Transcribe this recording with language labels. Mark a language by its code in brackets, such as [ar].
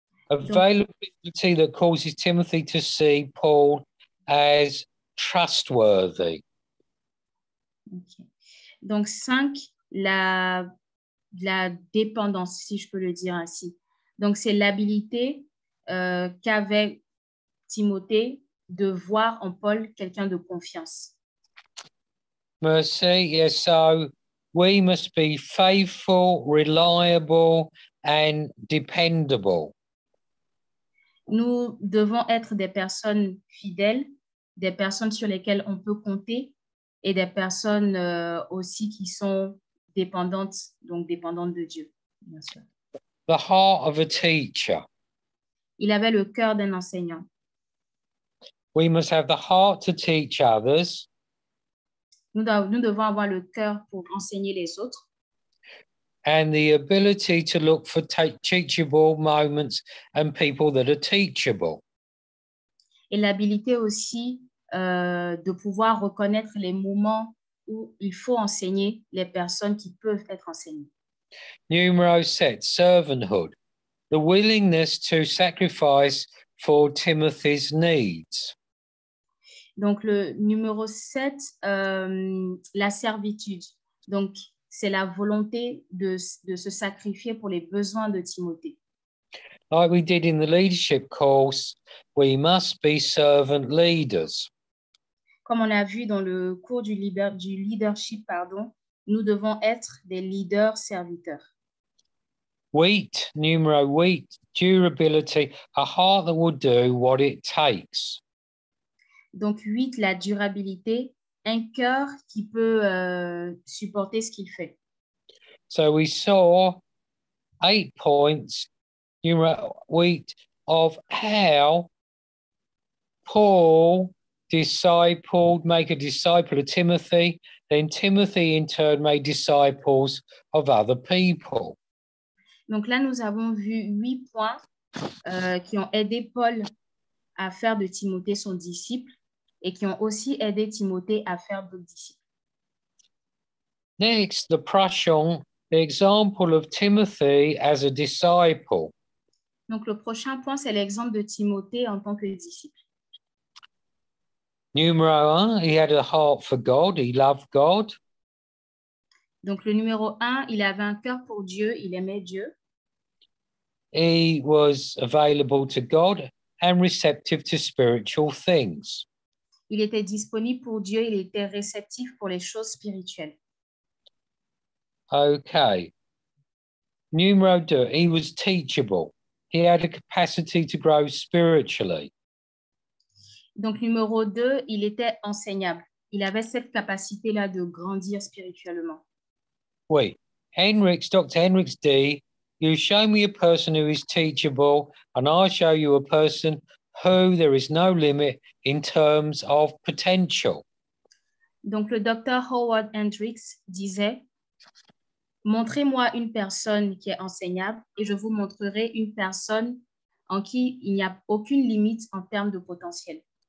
[en] Availability donc, that causes Timothy to see Paul as trustworthy. Okay. [fr] Donc, cinq, la dépendance, si je peux le dire ainsi. Donc, c'est l'habilité qu'avait Timothée de voir en Paul quelqu'un de confiance. Merci. [en] Yes, so we must be faithful, reliable and dependable. [fr] Nous devons être des personnes fidèles, des personnes sur lesquelles on peut compter et des personnes aussi qui sont dépendantes, donc dépendantes de Dieu, bien sûr. [en] The heart of a teacher. [fr] Il avait le cœur d'un enseignant. [en] We must have the heart to teach others. [fr] Nous devons avoir le cœur pour enseigner les autres. [en] And the ability to look for teachable moments and people that are teachable. [fr] Et l'habilité aussi de pouvoir reconnaître les moments où il faut enseigner les personnes qui peuvent être enseignées. Numéro 7, [en] servanthood. The willingness to sacrifice for Timothy's needs. [fr] Donc le numéro 7, la servitude. Donc c'est la volonté de se sacrifier pour les besoins de Timothée. [en] Like we did in the leadership course, we must be servant leaders. [fr] comme on a vu dans le cours du leadership, pardon, nous devons être des leaders serviteurs. [en] Wheat, numero wheat, durability, a heart that will do what it takes. [fr] Donc, huit, la durabilité, un cœur qui peut supporter ce qu'il fait. [en] So we saw 8 points, numero wheat, of how Paul discipled, make a disciple of Timothy, then Timothy in turn made disciples of other people. [fr] Donc là, nous avons vu 8 points qui ont aidé Paul à faire de Timothée son disciple et qui ont aussi aidé Timothée à faire d'autres disciples. [en] Next, the prochain, the example of Timothy as a disciple. [fr] Donc le prochain point, c'est l'exemple de Timothée en tant que disciple. Numéro un, [en] he had a heart for God, he loved God. [fr] Donc le numéro un, il avait un cœur pour Dieu, il aimait Dieu. [en] He was available to God and receptive to spiritual things. [fr] Il était disponible pour Dieu, il était réceptif pour les choses spirituelles. [en] Okay. [fr] Numéro deux, [en] he was teachable. He had a capacity to grow spiritually. [fr] Donc numéro deux, il était enseignable. Il avait cette capacité-là de grandir spirituellement. Oui. Henrix, Dr. [en] Henrix D., you show me a person who is teachable, and I'll show you a person who there is no limit in terms of potential. [fr] Donc le docteur Howard Hendrix disait, montrez-moi une personne qui est enseignable et je vous montrerai une personne en qui il n'y a aucune limite en termes de potentiel.